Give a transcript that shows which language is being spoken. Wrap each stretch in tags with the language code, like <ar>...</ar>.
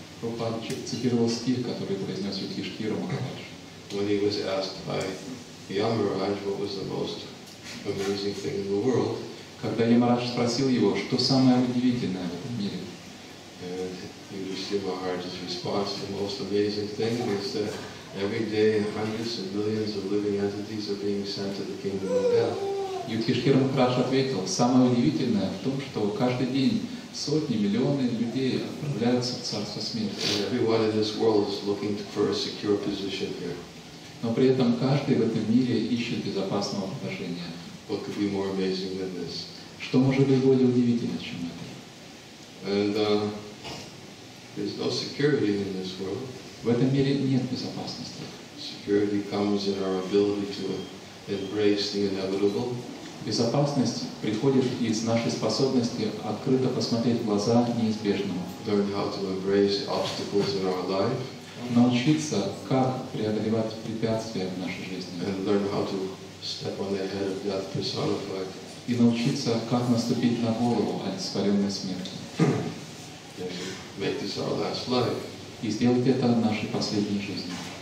<ru>Prabhupada цитировал стих, который произнес Юдхиштхира Махарадж.</ru> <en>When he was asked by Yamaraj what was the most amazing thing in the world.</en> <ru>Когда Ямарадж спросил его, что самое удивительное в этом мире.</ru> <en>And Yudhishthira Maharaj's response, the most amazing thing is that every day hundreds of millions of living entities are being sent to the kingdom of death.</en> <ru>Юдхиштхира Махарадж ответил, самое удивительное в том, что каждый день сотни, миллионы людей отправляются в царство смерти.</ru> <en>Everyone in this world is looking for a secure position here.</en> <ru>Но при этом каждый в этом мире ищет безопасного положения.</ru> <en>What could be more amazing than this?</en> <ru>Что может быть более удивительным, чем это?</ru> <en>And there's no security in this world.</en> <ru>В этом мире нет безопасности.</ru> <en>Security comes in our ability to embrace the inevitable.</en> <ru>Безопасность приходит из нашей способности открыто посмотреть в глаза неизбежному.</ru> <en>Learn how to embrace obstacles in our life.</en> <ru>Научиться, как преодолевать препятствия в нашей жизни.</ru> <en>And learn how to step on the head of death personified.</en> <ru>И научиться, как наступить на голову олицетворенной смерти.</ru> <en>Make this our last life.</en> <ru>И сделать это нашей последней жизнью.</ru>